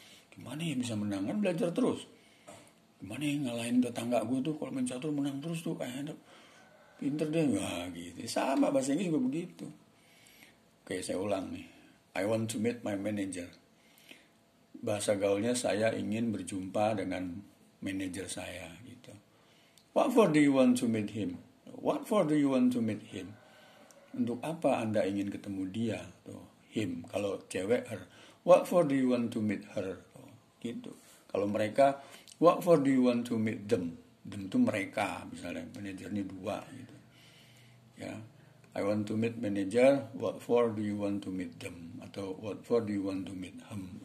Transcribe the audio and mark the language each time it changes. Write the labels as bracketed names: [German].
[Indonesian] Gimana ya bisa menang, kan belajar terus. Gimana ya ngalahin tetangga gue tuh kalau main catur menang terus tuh, kayaknya pinter deh. Wah gitu, sama bahasa Inggris juga begitu. Oke, saya ulang nih. [English] I want to meet my manager. [Indonesian] Bahasa gaulnya saya ingin berjumpa dengan manager saya gitu. [English] What for do you want to meet him? What for do you want to meet him? [Indonesian] Untuk apa Anda ingin ketemu dia? Tuh, him. Kalau cewek her. [English] What for do you want to meet her? Tuh, gitu. Kalau mereka, what for do you want to meet them? [Indonesian] Them tuh mereka, misalnya manajernya dua gitu. Ya. [English] I want to meet manager, what for do you want to meet them? Atau what for do you want to meet him?